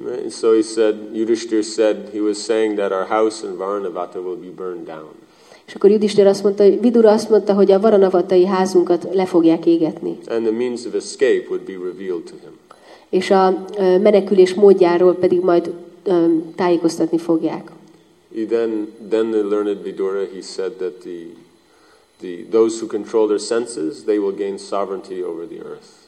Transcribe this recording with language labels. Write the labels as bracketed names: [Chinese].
[English] So he said, Yudhishthir said, he was saying that our house in Varanavata will be burned down. [Hungarian] És akkor Yudhishthir azt mondta, Vidura azt mondta, hogy a Varanavatai házunkat le fogják égetni. [English] And the means of escape would be revealed to him. [Hungarian] És a menekülés módjáról pedig majd tájékoztatni fogják. [English] Then the learned Vidura, he said that those who control their senses, they will gain sovereignty over the earth.